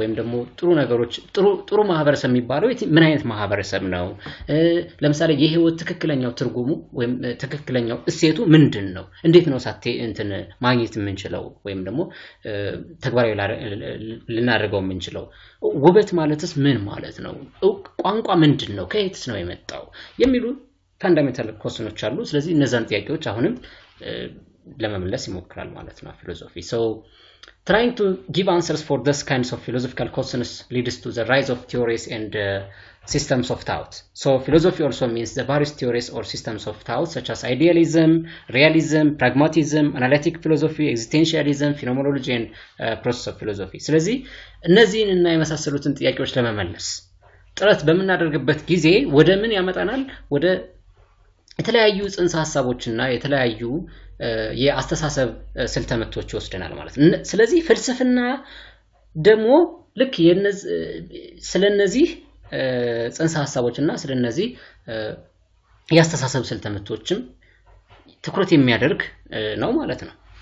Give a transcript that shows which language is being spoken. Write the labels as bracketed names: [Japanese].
[Amharic] ወይም ደግሞ ጥሩ ነገሮች ጥሩ ማህበረሰብ የሚባለው ምን አይነት ማህበረሰብ ነው? ለምሳሌ የህይወት ትክክለኛው ትርጉሙ ወይም ትክክለኛው እሴቱ ምንድን ነው? እንዴት ነው ሳቴ እንትን ማግኘት የምንችለው ወይም ደግሞ ተግባራዊ ልናደርገው የምንችለው? ውበት ማለትስ ምን ማለት ነው? ቋንቋ ምንድን ነው? ከየትስ ነው የመጣው? የሚሉ ፋንዳሜንታል ኮስኖች አሉ። ስለዚህ እነዛን ጥያቄዎች አሁንም ለመመለስ ይሞክራል ማለት ነው ፊሎሶፊ። [English] Trying to give answers for this kinds of philosophical questions leads to the rise of theories and systems of thought. So philosophy also means the various theories or systems of thought such as idealism, realism, pragmatism, analytic philosophy, existentialism, phenomenology and process of philosophy. [Amharic] ስለዚህ እነዚህን እና የመሳሰሉትን ጥያቄዎች ለመመለስ ጥረት በመናደርግበት ጊዜ ወደ ምን ያመጣናል? ወደ የተለያዩ ጽንሰ ሐሳቦችና የተለያዩ የአስተሳሰብ ስልተ ምቶች ወስደናል ማለት ነው። ስለዚህ ፍልስፍና ደግሞ ልክ ስለነዚህ ጽንሰ ሐሳቦችና ስለነዚህ የአስተሳሰብ ስልተ ምቶችም ትኩረት የሚያደርግ ነው ማለት ነው።